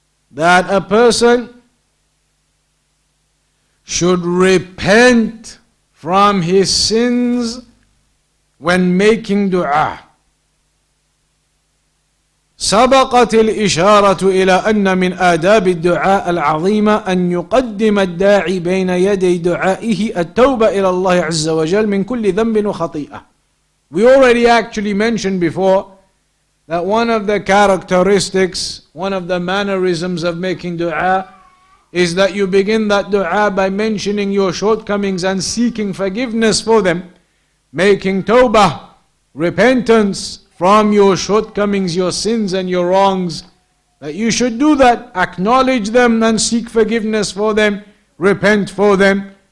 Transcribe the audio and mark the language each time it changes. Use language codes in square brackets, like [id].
[en] That a person should repent from his sins when making du'a. [ar] سبقت الإشارة إلى أن من آداب الدعاء العظيمة أن يقدم الداعي بين يدي دعائه التوبة إلى الله عز وجل من كل ذنب وخطيئة. [en] We already actually mentioned before that one of the characteristics, one of the mannerisms of making dua is that you begin that dua by mentioning your shortcomings and seeking forgiveness for them, making tawba, repentance from your shortcomings, your sins and your wrongs, that you should do that, acknowledge them and seek forgiveness for them, repent for them.